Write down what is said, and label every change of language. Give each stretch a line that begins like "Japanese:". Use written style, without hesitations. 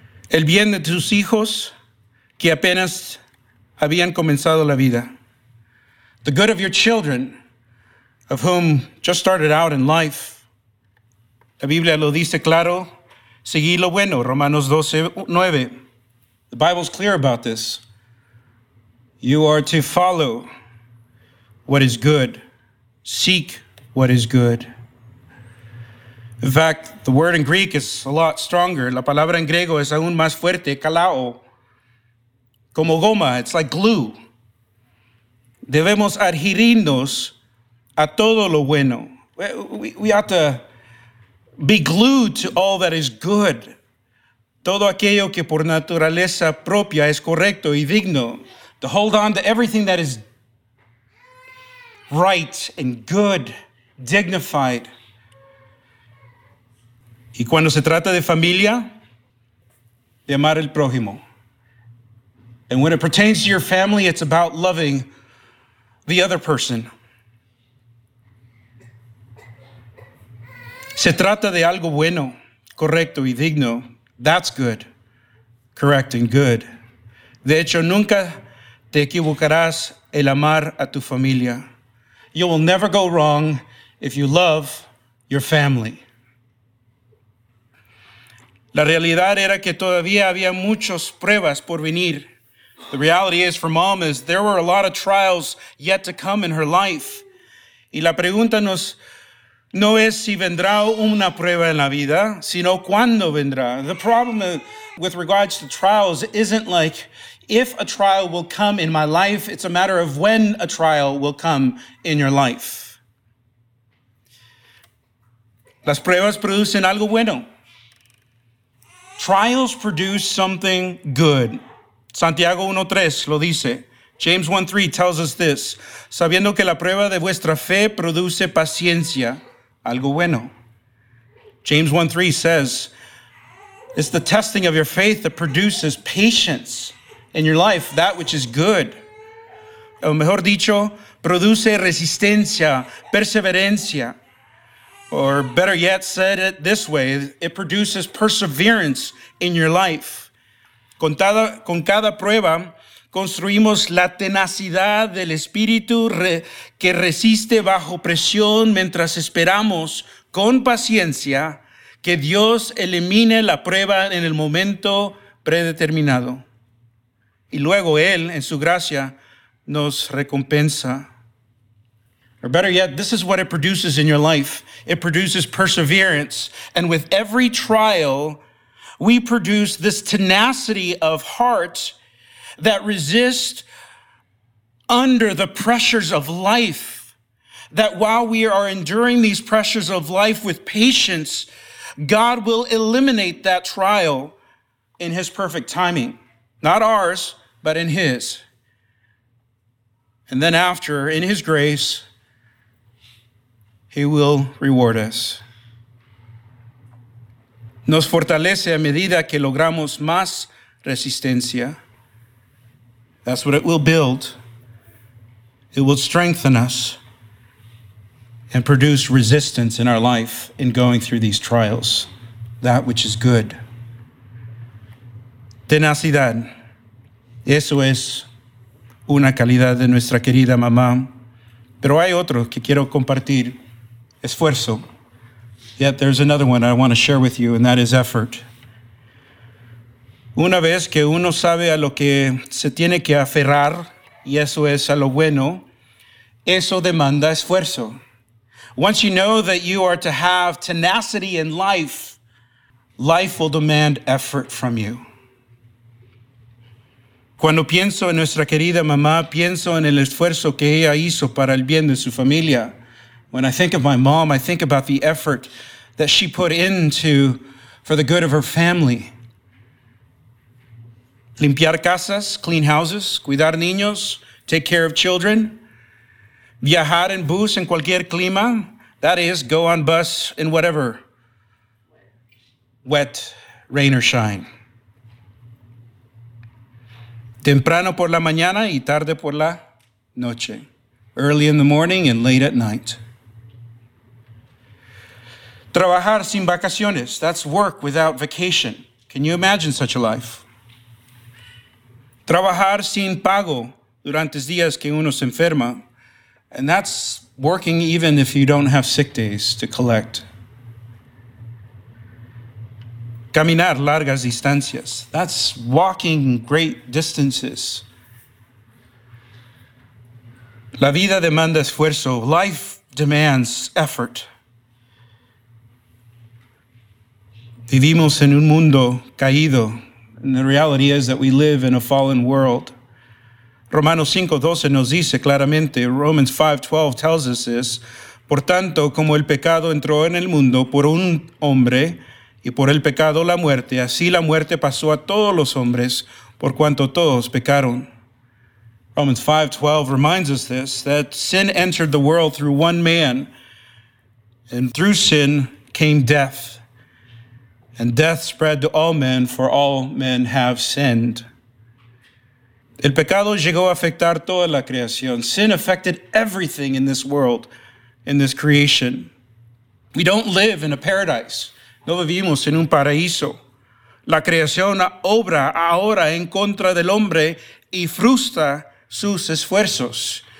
Spanish: El bien de tus hijos que apenas habían comenzado la vida.
English: The good of your children, of whom just started out in life.
Spanish: La Biblia lo dice claro, seguí lo bueno, Romanos 12, 9.
English: The Bible's clear about this. You are to follow what is good, seek what is good. In fact, the word in Greek is a lot stronger.
Spanish: La palabra en griego es aún más fuerte, kalao. Como goma,
English: it's like glue.
Spanish: Debemos adherirnos a todo lo bueno.
English: We ought to be glued to all that is good.
Spanish: Todo aquello que por naturaleza propia es correcto y digno.
English: To hold on to everything that is right and good, dignified.
Spanish: Y cuando se trata de familia, de amar el prójimo.
English: And when it pertains to your family, it's about loving the other person.
Spanish: Se trata de algo bueno, correcto y digno.
English: That's good, correct and good.
Spanish: De hecho, nunca te equivocarás el amar a tu familia.
English: You will never go wrong if you love your family.
Spanish: La realidad era que todavía había muchas pruebas por venir.
English: The reality is for mom is there were a lot of trials yet to come in her life.
Spanish: Y la pregunta no es si vendrá una prueba en la vida, sino cuándo vendrá.
English: The problem with regards to trials isn't like if a trial will come in my life, it's a matter of when a trial will come in your life.
Spanish: Las pruebas producen algo bueno.
English: Trials produce something good.
Spanish: Santiago 1:3 lo dice.
English: James 1:3 tells us this.
Spanish: Sabiendo que la prueba de vuestra fe produce paciencia, algo bueno.
English: James 1:3 says, it's the testing of your faith that produces patience in your life, that which is good.
Spanish: O mejor dicho, produce resistencia, perseverancia.
English: Or better yet, said it this way, it produces perseverance in your life.
Spanish: Con cada prueba, construimos la tenacidad del espíritu que resiste bajo presión mientras esperamos con paciencia que Dios elimine la prueba en el momento predeterminado. Y luego Él, en su gracia, nos recompensa.
English: Or better yet, this is what it produces in your life. It produces perseverance. And with every trial, we produce this tenacity of heart that resists under the pressures of life. That while we are enduring these pressures of life with patience, God will eliminate that trial in His perfect timing. Not ours, but in His. And then after, in His grace, He will reward us.
Spanish: Nos fortalece a medida que logramos más resistencia.
English: That's what it will build. It will strengthen us and produce resistance in our life in going through these trials. That which is good.
Spanish: Tenacidad. Eso es una calidad de nuestra querida mamá. Pero hay otro que quiero compartir. Esfuerzo.
English: Yet there's another one I want to share with you, and that is effort.
Spanish: Una vez que uno sabe a lo que se tiene que aferrar, y eso es a lo bueno, eso demanda esfuerzo.
English: Once you know that you are to have tenacity in life, life will demand effort from you.
Spanish: Cuando pienso en nuestra querida mamá, pienso en el esfuerzo que ella hizo para el bien de su familia.
English: When I think of my mom, I think about the effort that she put into for the good of her family.
Spanish: Limpiar casas,
English: clean houses,
Spanish: cuidar niños,
English: take care of children,
Spanish: viajar en bus en cualquier clima,
English: that is, go on bus in whatever, wet, rain or shine.
Spanish: Temprano por la mañana y tarde por la noche.
English: Early in the morning and late at night.
Spanish: Trabajar sin vacaciones,
English: that's work without vacation. Can you imagine such a life?
Spanish: Trabajar sin pago durante los días que uno se enferma,
English: and that's working even if you don't have sick days to collect.
Spanish: Caminar largas distancias,
English: that's walking great distances.
Spanish: La vida demanda esfuerzo,
English: life demands effort.
Spanish: Vivimos en un mundo caído.
English: And the reality is that we live in a fallen world.
Spanish: Romanos 5:12 nos dice claramente,
English: Romans 5:12 tells us this,
Spanish: por tanto, como el pecado entró en el mundo por un hombre, y por el pecado la muerte, así la muerte pasó a todos los hombres, por cuanto todos pecaron.
English: Romans 5:12 reminds us this, that sin entered the world through one man, and through sin came death. And death spread to all men, for all men have sinned.
Spanish: El pecado llegó a afectar toda la creación.
English: Sin affected everything in this world, in this creation. We don't live in a paradise.
Spanish: No vivimos en un paraíso. La creación obra ahora en contra del hombre y frustra sus esfuerzos.